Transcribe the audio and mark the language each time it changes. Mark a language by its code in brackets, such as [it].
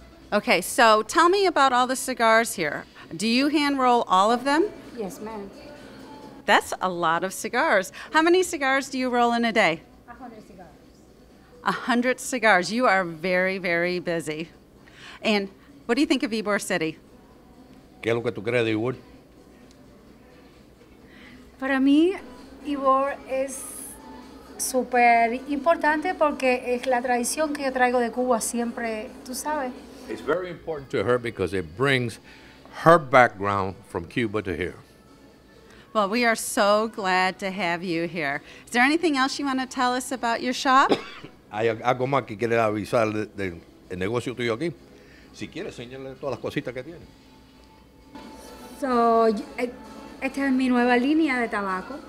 [en] Okay, so tell me about all the cigars here. Do you hand roll all of them? Yes, ma'am. That's a lot of cigars. How many cigars do you roll in a day? 100 cigars. 100 cigars. You are very, very busy. And what do you think of Ybor City? [es] ¿Qué es lo que tú crees de Ybor? Para mí, Ybor es súper importante porque es la tradición que yo traigo de Cuba siempre, tú sabes. [en] It's very important to her because it brings her background from Cuba to here. Well, we are so glad to have you here. Is there anything else you want to tell us about your shop? [es] Hay algo más que quiere avisar del negocio tuyo aquí. Si quieres, señale todas las cositas que tiene. So, esta es mi nueva línea de tabaco.